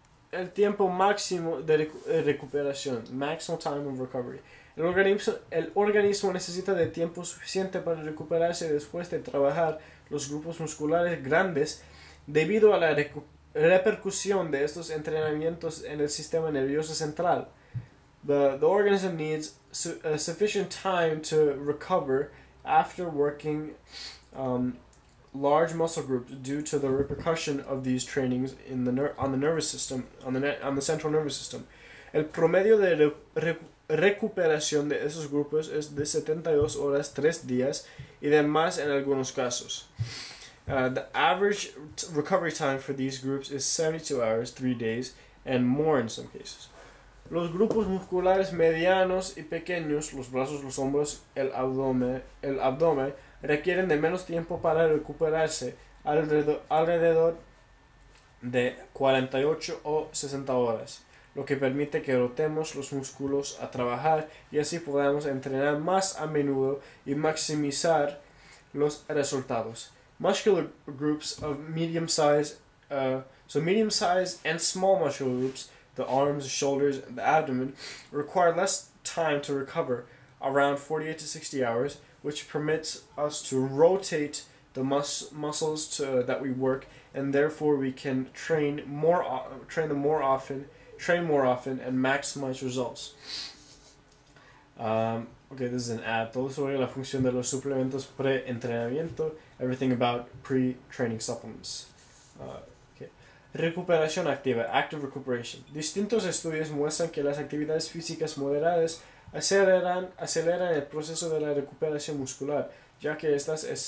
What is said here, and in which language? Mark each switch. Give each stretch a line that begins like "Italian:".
Spanish: El tiempo máximo de recuperación,
English: maximum time of recovery.
Spanish: El organismo necesita de tiempo suficiente para recuperarse después de trabajar los grupos musculares grandes debido a la repercusión de estos entrenamientos en el sistema nervioso central.
English: The organism needs a sufficient time to recover after working large muscle groups due to the repercussion of these trainings in the central nervous system.
Spanish: El promedio de recuperación de esos grupos es de 72 horas 3 días y demás en algunos casos.
English: The average recovery time for these groups is 72 hours 3 days and more in some cases.
Spanish: Los grupos musculares medianos y pequeños, los brazos, los hombros, el abdomen, requieren de menos tiempo para recuperarse, alrededor de 48 o 60 horas, lo que permite que rotemos los músculos a trabajar y así podamos entrenar más a menudo y maximizar los resultados.
English: Muscular groups of medium size, medium size and small muscular groups, the arms, the shoulders, and the abdomen, require less time to recover, around 48 to 60 hours, which permits us to rotate the muscles that we work, and therefore we can train more often, and maximize results. This is an ad.
Spanish: Todo sobre la función de los suplementos pre-entrenamiento.
English: Everything about pre-training supplements.
Spanish: Recuperación activa,
English: active recuperation.
Spanish: Distintos estudios muestran que las actividades físicas moderadas aceleran el proceso de la recuperación muscular, ya que estas